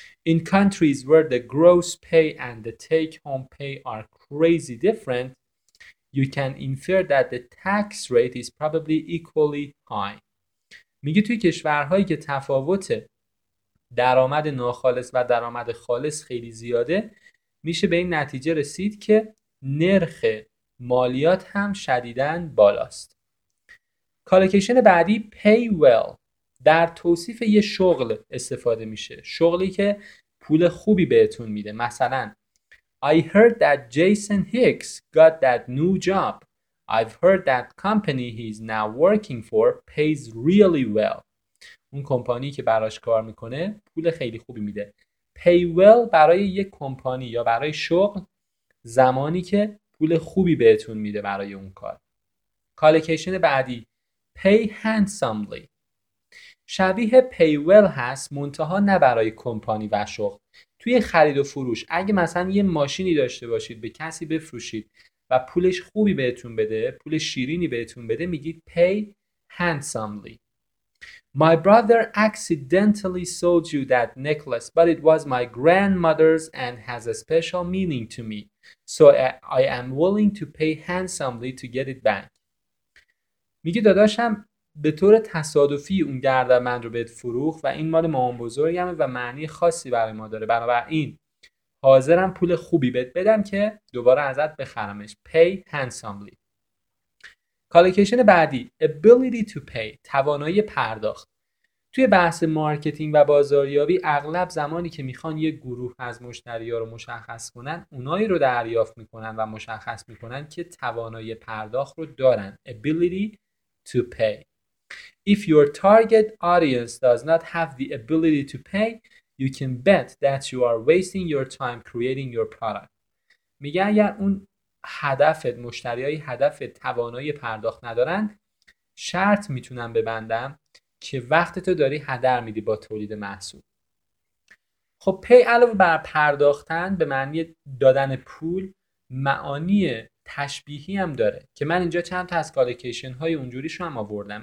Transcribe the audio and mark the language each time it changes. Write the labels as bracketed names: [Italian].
[English] In countries where the gross pay and the take home pay are crazy different, you can infer that the tax rate is probably equally high. [Persian] میگه توی کشورهایی که تفاوت درآمد ناخالص و درآمد خالص خیلی زیاده میشه به این نتیجه رسید که نرخ مالیات هم شدیداً بالاست. کالوکیشن بعدی pay well در توصیف یه شغل استفاده میشه، شغلی که پول خوبی بهتون میده. مثلا [English] I heard that Jason Hicks got that new job. I've heard that company he's now working for pays really well. [Persian] اون کمپانی که براش کار میکنه پول خیلی خوبی میده. Pay well برای یک کمپانی یا برای شغل زمانی که پول خوبی بهتون میده برای اون کار. کالوکیشن بعدی pay handsomely شبیه pay well هست، منتها نه برای کمپانی و شغل. توی خرید و فروش اگه مثلا یه ماشینی داشته باشید به کسی بفروشید و پولش خوبی بهتون بده، پول شیرینی بهتون بده، میگید pay handsomely. [English] My brother accidentally sold you that necklace, but it was my grandmother's and has a special meaning to me. So I am willing to pay handsomely to get it back. [Persian] میگه داداشم به طور تصادفی اون گردنبند رو بهت فروخ و این مال مامان بزرگمه و معنی خاصی برای ما داره، بنابراین حاضرم پول خوبی بهت بدم که دوباره ازت بخرمش. [English] pay handsomely. [Persian] کالوکیشن بعدی ability to pay توانایی پرداخت. توی بحث مارکتینگ و بازاریابی اغلب زمانی که میخوان یه گروه از مشتری‌ها رو مشخص کنن اونایی رو دریافت میکنن و مشخص میکنن که توانایی پرداخت رو دارن. [English] ability to pay. If your target audience does not have the ability to pay, you can bet that you are wasting your time creating your product. [Persian] میگه اگر اون هدفت، مشتری های هدفت توانایی پرداخت ندارن، شرط میتونم ببندم که وقتتو داری هدر میدی با تولید محصول. خب پی علاوه بر پرداختن به معنی دادن پول، معانی تشبیهی هم داره که من اینجا چند تا از کالکیشن های اونجوری شو هم آوردم.